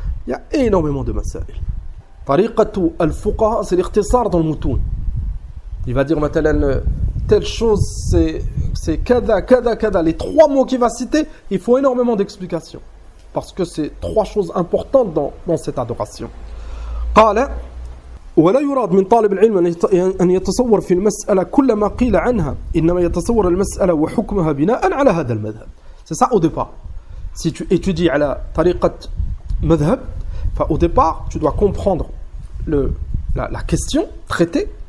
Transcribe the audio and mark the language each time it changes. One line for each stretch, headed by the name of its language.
French: Il y a énormément de masail.
Arabic: Tariqatu al-fuqaha,
French: c'est l'ikhtisar dans le moutoun. Il va dire, telle chose, c'est kada, kada, kada. Les trois mots qu'il va citer, il faut énormément d'explications. Parce que c'est trois choses importantes dans cette adoration.
Arabic: قال ولا يراد من طالب العلم أن يتصور في المسألة كل ما قيل عنها إنما يتصور المسألة وحكمها بناء على هذا المذهب.
French: C'est ça au départ. Si tu étudies à la طريقة مذهب, au départ tu dois comprendre la question traitée.